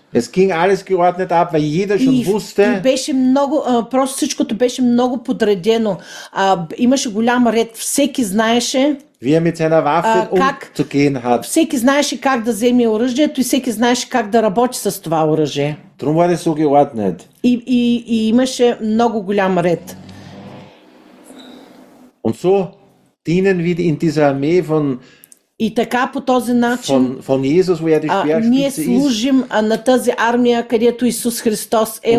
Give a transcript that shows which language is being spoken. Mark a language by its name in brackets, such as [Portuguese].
[German] Es ging alles geordnet ab, weil jeder schon wusste. [Bulgarian] И беше много, просто всичкото беше много подредено. Имаше голям ред, всеки знаеше. [German] Wie er mit seiner Waffe zu gehen hat. [Bulgarian] Всеки знаеше как да вземе оръжието и всеки знаеше как да работи с това оръжие. [German] Drum war es so geordnet. [Bulgarian] И имаше много голям ред. [German] Und so dienen wir in dieser Armee von. [Bulgarian] И така по този начин [German] von Jesus, wo er die [Bulgarian] ние служим на тази армия, където Исус Христос е